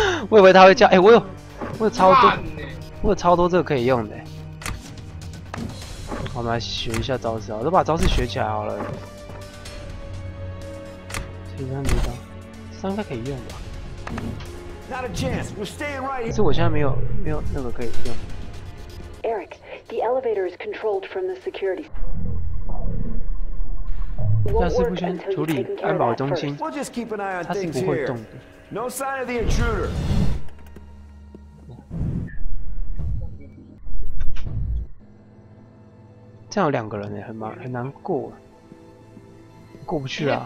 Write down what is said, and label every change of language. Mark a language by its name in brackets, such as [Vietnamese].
[Chinese] 我以为他会叫，哎、欸、我有超多，我有超多这个可以用的，我们来学一下招式啊，都把招式学起来好了，其他地方应该可以用吧？可是我现在没有那个可以用。 [English] Eric, the elevator is controlled from the security. [Chinese] 那是不先处理安保中心，他是不会动的。 [English] No sign of the intruder. [Chinese] 这样有两个人哎，很难过，过不去啊。